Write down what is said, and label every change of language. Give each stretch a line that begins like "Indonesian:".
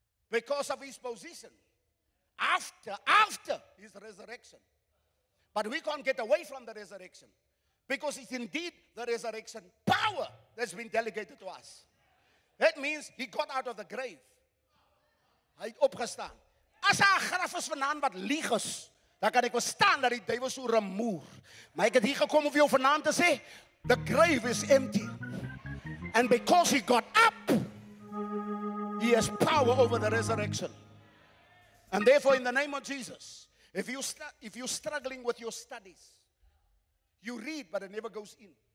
English: Because of his position after his resurrection. But we can't get away from the resurrection because it's indeed the resurrection power that's been delegated to us. That means he got out of the grave.
Afrikaans: Hy het opgestaan. As hy 'n graf is vanaand wat leeg is, dan kan ek verstaan dat die duiwel so rumoer. Maar ek het hier gekom om vir jou vanaand te sê,
English: the grave is empty. And because he got up, he has power over the resurrection. And therefore, in the name of Jesus, if you're struggling with your studies, you read but it never goes in.